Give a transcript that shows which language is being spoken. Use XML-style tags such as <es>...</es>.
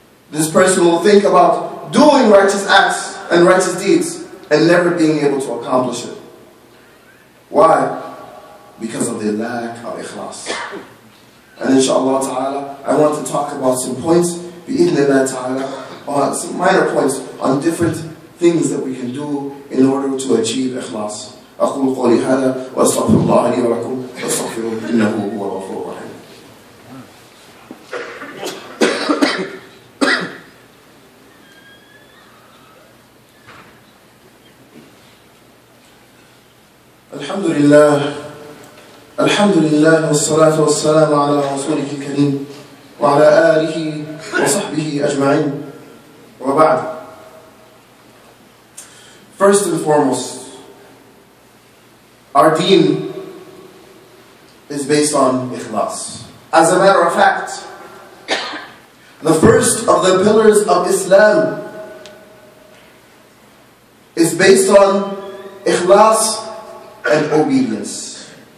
<en>This person will think about doing righteous acts and righteous deeds and never being able to accomplish it. Why? Because of their lack of ikhlas. And inshallah ta'ala, I want to talk about some points, bi'idhnillah ta'ala, some minor points on different things that we can do in order to achieve ikhlas.</en> <ar>أقول قولي هذا وأستغفر الله لي ولكم وأستغفره إنه هو الغفور الرحيم. الحمد لله الحمد لله والصلاة والسلام على رسوله الكريم وعلى آله وصحبه أجمعين وبعد.</ar> <en>First and foremost, our deen is based on ikhlas. As a matter of fact, the first of the pillars of Islam is based on ikhlas and obedience.</en>